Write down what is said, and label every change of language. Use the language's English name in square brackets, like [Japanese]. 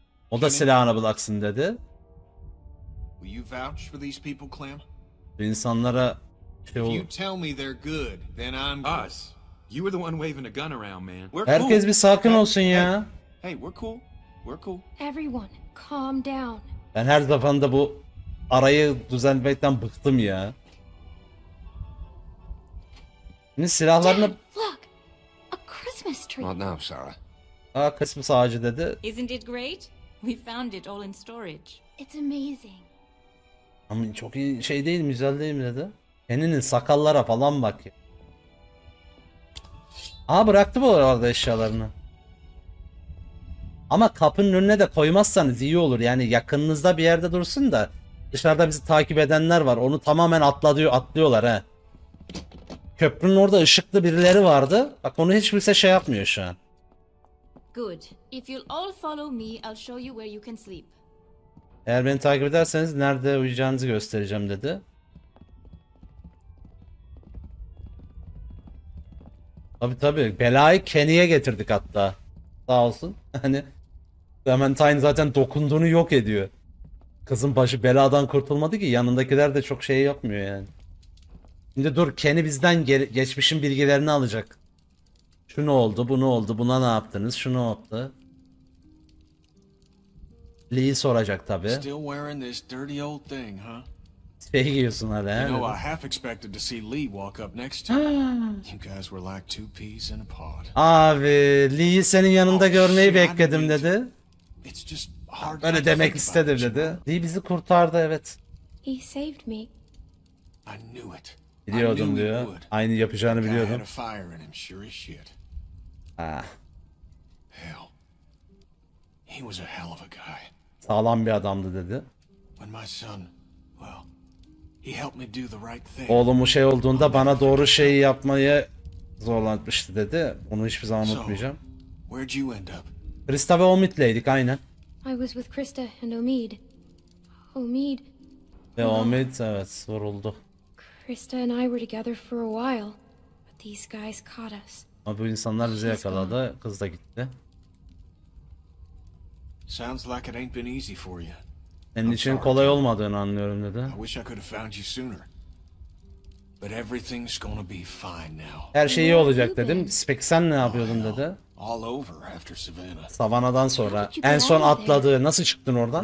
[Turkish] O da silahını bıraksın dedi. [English] Will you vouch for these people, Clem? [Turkish] Bu insanlara şey olur. [English] If you tell me they're good, then I'm good. Us. You were the one waving a gun around, man. We're cool. [Turkish] Herkes bir sakin olsun ya. [English] Hey, we're cool. We're cool. Everyone, calm down. [Turkish] Ben her zaman da bu arayı düzenlemekten bıktım ya. Şimdi silahlarını... [English] Dad, look, a Christmas tree. Not now, Sarah. [Turkish] Aa, Christmas ağacı dedi. [English] Isn't it great? We found it all in storage. It's amazing. [Turkish] Ama çok iyi şey değil, güzel değil mi dedi. Kendinin sakallara falan bak ya. Aa, bıraktı bu arada eşyalarını. Ama kapının önüne de koymazsanız iyi olur. Yani yakınınızda bir yerde dursun da. Dışarıda bizi takip edenler var. Onu tamamen atlıyorlar ha. Köprünün orada ışıklı birileri vardı. Bak onu hiç kimse şey yapmıyor şu an. [English] Good. If you'll all follow me, I'll show you where you can sleep. [Turkish] Eğer beni takip ederseniz nerede uyuyacağınızı göstereceğim dedi. Tabi tabi, belayı Kenny'ye getirdik hatta. Sağ olsun. Hani Clementine zaten dokunduğunu yok ediyor. Kızın başı beladan kurtulmadı ki, yanındakiler de çok şey yapmıyor yani. Şimdi dur, Kenny bizden geçmişin bilgilerini alacak. Şu ne oldu, bu ne oldu, buna ne yaptınız, şu ne yaptı? Lee soracak tabi. [English] Still wearing this dirty old thing, huh? [Turkish] Şey giyiyorsun hala he? [English] You know, I half expected to see Lee walk up next to me. You guys were like two peas in a pod. [Turkish] Abi, Lee'yi senin yanında görmeyi bekledim dedi. [English] It's just hard [Turkish] to... Öyle demek istedim dedi. Lee bizi kurtardı, evet. [English] He saved me. I knew it. [Turkish] Biliyordum diyor. Aynı yapacağını biliyordum. [English] I had a fire in him, sure as shit. Ah. Hell. He was a hell of a guy. [Turkish] Sağlam bir adamdı dedi. [English] When my son, well... He helped me do the right thing. [Turkish] Oğlumu şey olduğunda bana doğru şeyi yapmayı zorlatmıştı dedi. Onu hiçbir zaman unutmayacağım. [English] Where'd you end up? [Turkish] Krista ve Omid'leydik, aynen. [English] I was with Krista and Omid. Omid. [Turkish] Ve Omid, evet, vuruldu. [English] Krista and I were together for a while, but these guys caught us. [Turkish] Ama bu insanlar bizi yakaladı, kız da gitti. [English] Sounds like it ain't been easy for you. [Turkish] Senin için kolay olmadığını anlıyorum dedi. [English] I wish I could have found you sooner. But everything's gonna be fine now. [Turkish] Her şey iyi olacak dedim. Peki sen ne yapıyordun dedi. [English] All over after Savannah. [Turkish] Savannah'dan sonra en son atladığı, nasıl çıktın oradan?